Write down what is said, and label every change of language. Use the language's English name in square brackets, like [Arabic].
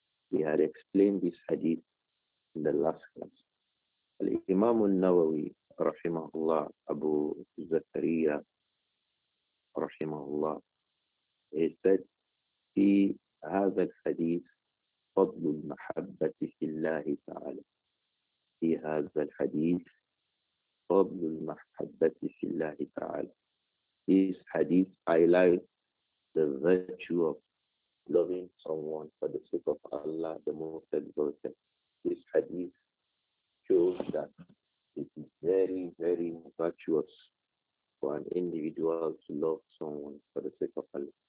[English] We had explained this hadith in the last class. Al-Imam al-Nawawi, rahimahullah, Abu Zakaria, rahimahullah, he said, [Arabic] في هذا الحديث فضل المحبة في الله تعالى. في هذا الحديث فضل المحبة في الله تعالى. [English] This hadith highlights the virtue of loving someone for the sake of Allah, the Most Exalted. This hadith shows that it is very, very virtuous for an individual to love someone for the sake of Allah.